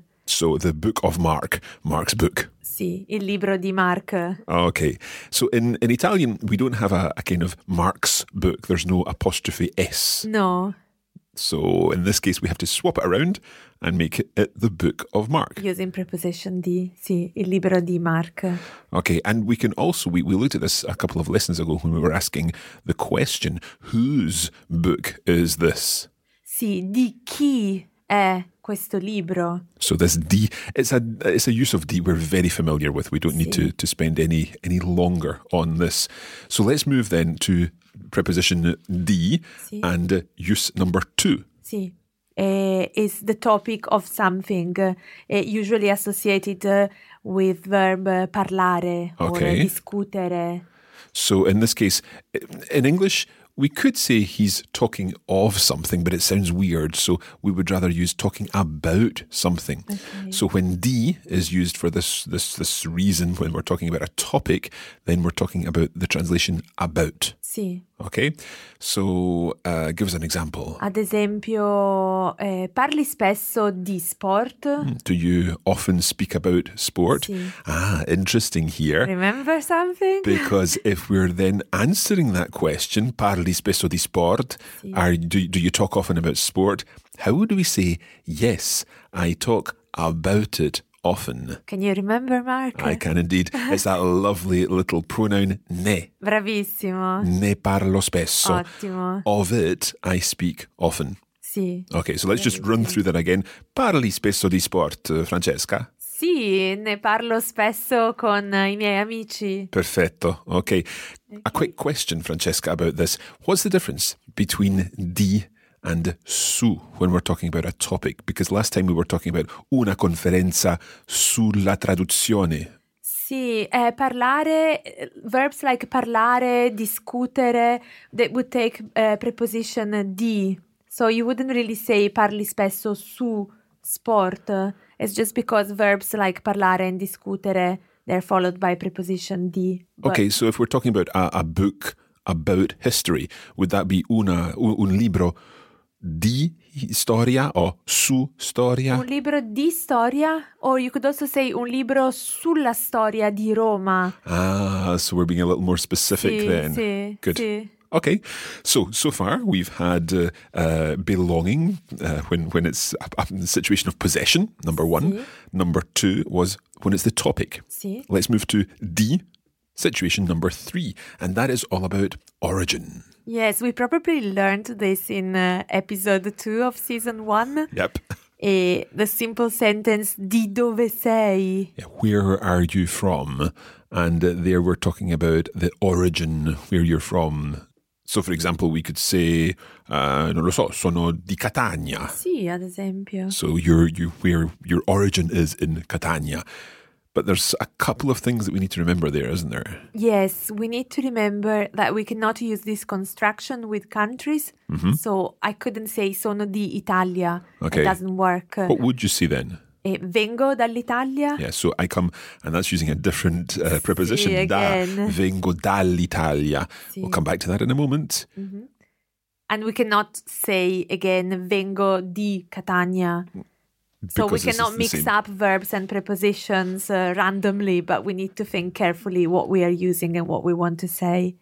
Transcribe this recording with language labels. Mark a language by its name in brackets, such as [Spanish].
[English] So the book of Mark, Mark's book. [Italian] Sì, il libro di Mark. [English] Okay. So in Italian, we don't have a kind of Mark's book. There's no apostrophe S. No. So in this case, we have to swap it around and make it the book of Mark. Using preposition di, [Italian] sì, il libro di Mark. [English] Okay. And we can also, we looked at this a couple of lessons ago when we were asking the question, whose book is this? [Italian] Sì, di chi è questo libro. [English] So this D, it's a use of D we're very familiar with. We don't [Italian] sì. [English] Need to spend any longer on this. So let's move then to preposition D [Italian] sì. [English] And use number two. [Italian] Sì. [English] Is the topic of something usually associated with verb parlare okay. Or discutere. So in this case, in English, we could say he's talking of something, but it sounds weird. So we would rather use talking about something. Okay. So when D is used for this reason, when we're talking about a topic, then we're talking about the translation about. [Italian] Sì, [English] Ok? So, give us an example. [Italian] Ad esempio, parli spesso di sport. [English] Do you often speak about sport? [Italian] Sì. [English] Ah, interesting here. Remember something? Because if we're then answering that question, [Italian] parli spesso di sport, [English] sì. do you talk often about sport? How would we say, yes, I talk about it often? Can you remember, Mark? I can indeed. It's that lovely little pronoun, ne. [Italian] Bravissimo. Ne parlo spesso. Ottimo. [English] Of it, I speak often. [Italian] Sì. [English] Okay, so let's just run through that again. [Italian] Parli spesso di sport, Francesca? Sì, ne parlo spesso con i miei amici. Perfetto. Okay. [English] A quick question, Francesca, about this. What's the difference between di and su when we're talking about a topic? Because last time we were talking about [Italian] una conferenza sulla traduzione. [English] Sì, parlare, verbs like parlare, discutere, that would take preposition di. So you wouldn't really say [Italian] parli spesso su sport. [English] It's just because verbs like parlare and discutere, they're followed by preposition di. Okay, so if we're talking about a book about history, would that be [Italian] un libro di storia o su storia? Un libro di storia, [English] or you could also say [Italian] un libro sulla storia di Roma. [English] Ah, so we're being a little more specific, [Italian] sì, [English] then. [Italian] Sì, [English] good. [Italian] Sì. [English] Okay, so far we've had belonging when it's a situation of possession, number one. [Italian] Sì. [English] Number two was when it's the topic. [Italian] Sì. [English] Let's move to di, situation number three, and that is all about origin. Yes, we probably learned this in episode 2 of season 1. Yep. The simple sentence, [Italian] di dove sei? [English] Yeah, where are you from? And there we're talking about the origin, where you're from. So, for example, we could say, [Italian] non lo so, sono di Catania. Sì, ad esempio. [English] So, where your origin is in Catania. But there's a couple of things that we need to remember there, isn't there? Yes, we need to remember that we cannot use this construction with countries. Mm-hmm. So I couldn't say [Italian] sono di Italia. [English] Okay. It doesn't work. What would you say then? [Italian] Vengo dall'Italia. [English] Yeah, so I come, and that's using a different preposition. [Italian] Sì, da, vengo dall'Italia. Sì. [English] We'll come back to that in a moment. Mm-hmm. And we cannot say again [Italian] vengo di Catania. [English] Because so we cannot mix up verbs and prepositions randomly, but we need to think carefully what we are using and what we want to say.